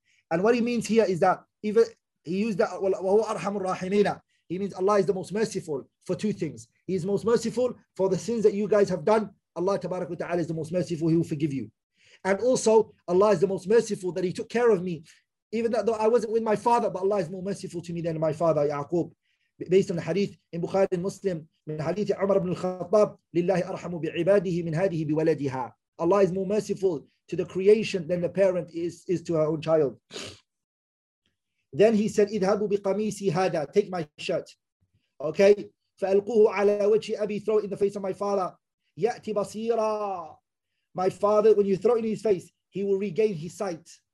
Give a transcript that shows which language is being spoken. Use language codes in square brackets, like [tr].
[en] And what he means here is that, even he used that, wa huwa arhamur rahimin, he means Allah is the most merciful for two things. He is most merciful for the sins that you guys have done. Allah tabarak wa ta'ala is the most merciful, he will forgive you. And also, Allah is the most merciful that he took care of me, even though I wasn't with my father, but Allah is more merciful to me than my father, Yaqub. Based on the hadith in Bukhari and Muslim, [ar] من حديث عمر بن الخطاب لله أرحم بعباده من هذه بولدها. [en] Allah is more merciful to the creation than the parent is to her own child. Then he said, [ar] اذهبوا بقميسي هذا, [en] take my shirt. Okay? [ar] فألقوه على وجه أبي, [en] throw it in the face of my father. [ar] يأتي بصيرا. [en] My father, when you throw it in his face, he will regain his sight.